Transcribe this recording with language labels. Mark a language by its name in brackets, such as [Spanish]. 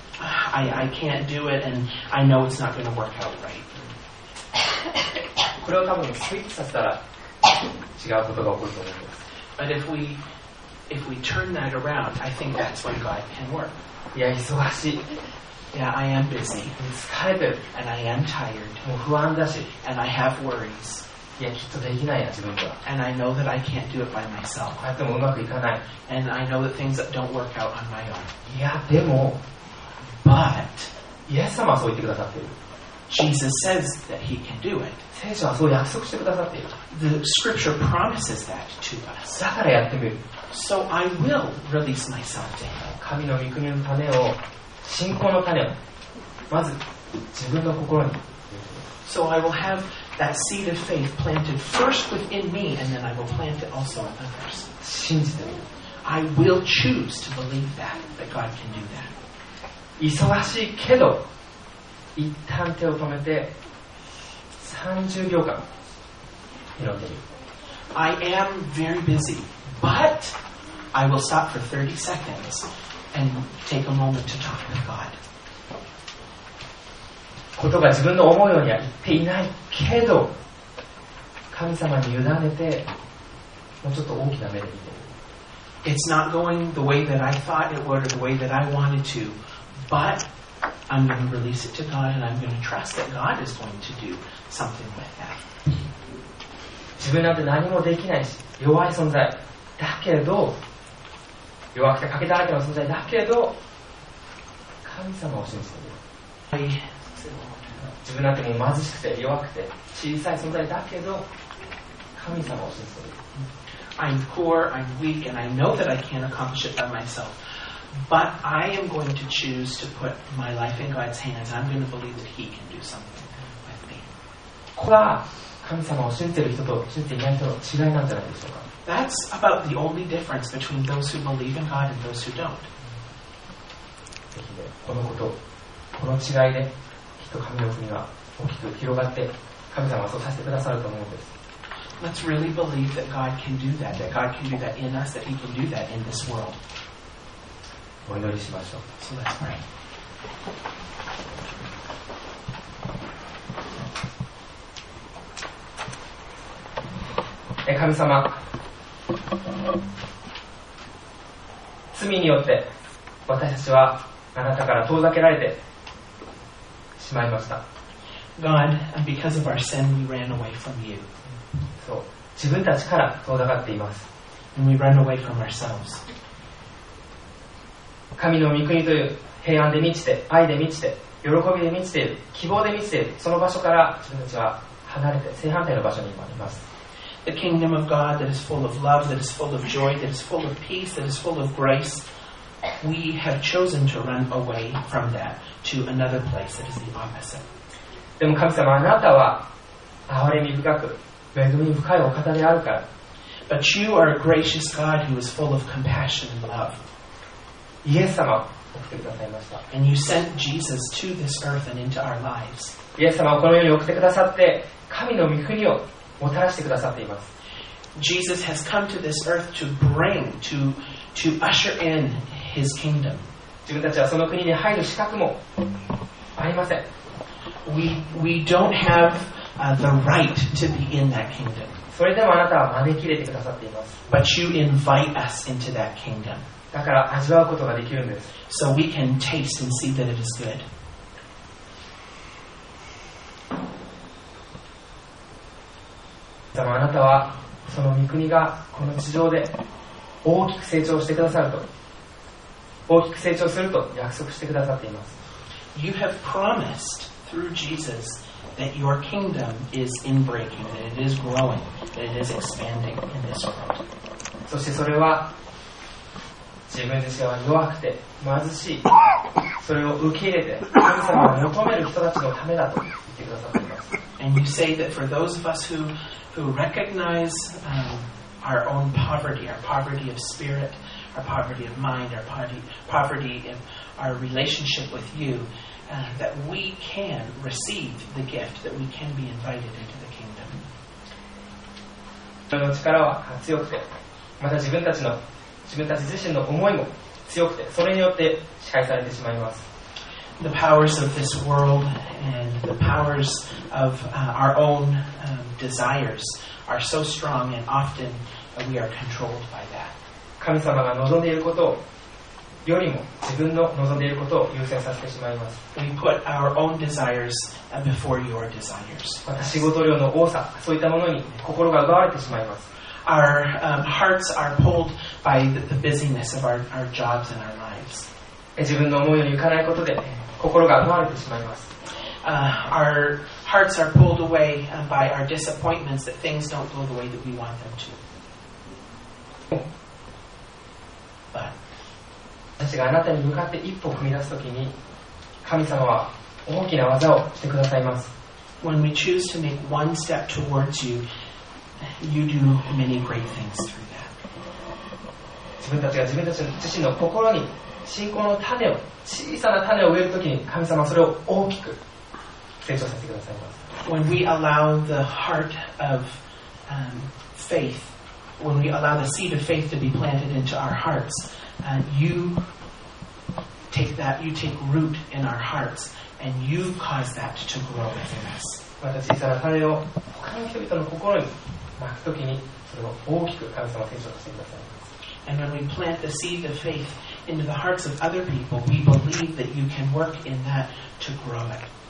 [English] I can't do it and I know it's not going to work out right. [Japanese] これを多分スイッチさせたら違うことが起こると思います。 [English] But if we turn that around, I think that's when God can work. [Japanese] いや、忙しい。 [English] Yeah, I am busy. [Japanese] 疲れてる。 [English] And I am tired. [Japanese] もう不安だし。 [English] And I have worries. [Japanese] いや、きっとできないや、自分では。 [English] And I know that I can't do it by myself. [Japanese] こうやってもうまくいかない。 [English] And I know that things don't work out on my own. [Japanese] いや、でも、 [English] But, [Japanese] イエス様はそう言ってくださっている。 [English] Jesus says that he can do it. [Japanese] 聖書はそう約束してくださっている。 [English] The scripture promises that to us. [Japanese] だからやってみる。 [English] So I will release myself to him. [Japanese] 神の御国の種を、信仰の種を、まず自分の心に。 [English] So I will have that seed of faith planted first within me and then I will plant it also in others. [Japanese] 信じてみる。 [English] I will choose to believe that God can do that. [Japanese] 忙しいけど、一旦手を止めて30秒間祈ってみる。 [English] I am very busy, but I will stop for 30 seconds and take a moment to talk with God. [Japanese] ことが自分の思うようには言っていないけど神様に委ねてもうちょっと大きな目で見てる。 [English] It's not going the way that I thought it would or the way that I wanted to, but I'm going to release it to God and I'm going to trust that God is going to do something with that. [Japanese] 自分なんて何もできないし弱い存在だけど弱くて欠けだらけの存在だけど神様を信じてる。はい、自分なんてもう貧しくて弱くて小さい存在だけど神様を信じている。 [English] I'm poor, I'm weak, and I know that I can't accomplish it by myself, but I am going to choose to put my life in God's hands. I'm going to believe that He can do something with me. [Japanese] これは神様を信じている人と信じていない人の違いなんじゃないでしょうか。 [English] That's about the only difference between those who believe in God and those who don't. [Japanese] ぜひね、このこと、この違いで神の国が大きく広がって神様はそうさせてくださると思うんです。 [English] Let's really believe that God can do that, that God can do that in us, that He can do that in this world. [Japanese] お祈りしましょう。 [English] So let's pray. [Japanese] 神様、罪によって私たちはあなたから遠ざけられてしまいました。 [English] God, and because of our sin, we ran away from you. [Japanese] そう、自分たちから遠ざかっています。 [English] And we run away from ourselves. [Japanese] 神の御国という平安で満ちて、愛で満ちて、喜びで満ちている、希望で満ちている、その場所から自分たちは離れて、正反対の場所に今います。 [English] The kingdom of God that is full of love, that is full of joy, that is full of peace, that is full of grace. We have chosen to run away from that to another place that is the opposite. [Japanese] でも神様、あなたは憐れみ深く、恵み深いお方であるから。 [English] But you are a gracious God who is full of compassion and love. [Japanese] イエス様を送ってくださいました。 [English] And you sent Jesus to this earth and into our lives. [Japanese] イエス様をこの世に送ってくださって、神の御国をもたらしてくださっています。 [English] Jesus has come to this earth to bring, to usher in His kingdom. [Japanese] 自分たちはその国に入る資格もありません。 [English] We don't have the right to be in that kingdom. [Japanese] それでもあなたは招き入れてくださっています。 [English] But you invite us into that kingdom. [Japanese] だから味わうことができるんです。 [English] So we can taste and see that it is good. [Japanese] でもあなたはその御国がこの地上で大きく成長してくださると、大きく成長すると約束してくださっています。 [English] You have promised through Jesus that your kingdom is in breaking, that it is growing, that it is expanding in this world. [Japanese] そしてそれは自分自身は弱くて貧しい、それを受け入れて神様を求める人たちのためだと言ってくださっています。 [English] And you say that for those of us who recognize、our own poverty, our poverty of spiritOur poverty of mind, our poverty in our relationship with you, that we can receive the gift, that we can be invited into the kingdom. [Japanese] 人の力は強くて、また自分たち自身の思いも強くて、それによって支配されてしまいます。 [English] The powers of this world and the powers of our own desires are so strong and often we are controlled by that. [Japanese] 神様が望んでいることよりも自分の望んでいることを優先させてしまいます。 [English] We put our own desires before your desires. [Japanese] また仕事量の多さ、そういったものに心が奪われてしまいます。 [English] Our hearts are pulled by the busyness of our jobs and our lives. [Japanese] 自分の思うようにいかないことで心が奪われてしまいます。 [English] Our hearts are pulled away by our disappointments that things don't go the way that we want them to. But [Japanese] 私があなたに向かって一歩踏み出すときに、神様は大きな技をしてくださいます。 [English] When we choose to make one step towards you, you do many great things through that. [Japanese] 自分たちが自分たち自身の心に信仰の種を、小さな種を植えるときに、神様はそれを大きく成長させてくださいます。 [English] When we allow the heart of faith, when we allow the seed of faith to be planted into our hearts, you take root in our hearts, and you cause that to grow within us. [Japanese] また小さな種を他の人々の心にまくときに、それを大きく神様は成長させてくださいます。 [English] And when we plant the seed of faith into the hearts of other people, we believe that you can work in that to grow it.